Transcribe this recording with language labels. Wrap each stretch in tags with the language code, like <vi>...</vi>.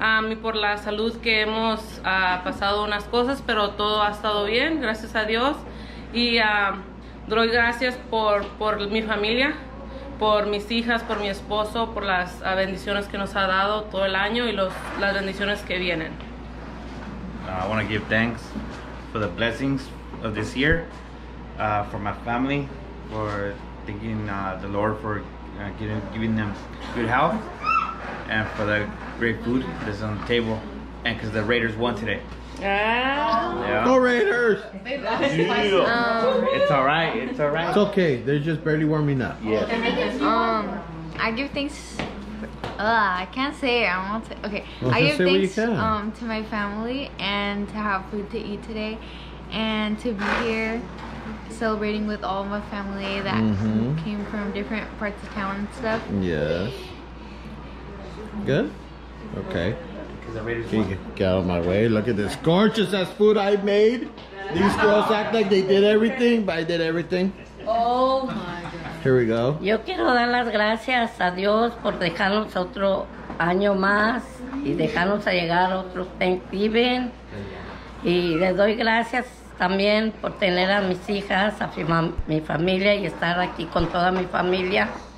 <es>Y por la salud que hemos pasado unas cosas, pero todo ha estado bien, gracias a Dios. Y doy gracias por mi familia, por mis hijas, por mi esposo, por las bendiciones que nos ha dado todo el año y las bendiciones que vienen.</es> <en>I want to give thanks for the blessings of this year, for my family, for thanking the Lord for giving them good health, and for the great food that's on the table, and because the Raiders won today. Yeah. Go Raiders! It's alright. It's okay, they're just barely warming up. Yeah. I give thanks. I can't say it. Well, I give say thanks what you can. To my family and to have food to eat today and to be here celebrating with all my family that came from different parts of town and stuff. Yes. Good? Okay. Get out of my way. Look at this gorgeous ass food I made. These girls act like they did everything, but I did everything. Oh my God. Here we go.</en> <es>Yo quiero dar las gracias a Dios por dejarnos otro año más y dejarnos a llegar a otro Thanksgiving. Y les doy gracias también por tener a mis hijas, a mi familia y estar aquí con toda mi familia.</es>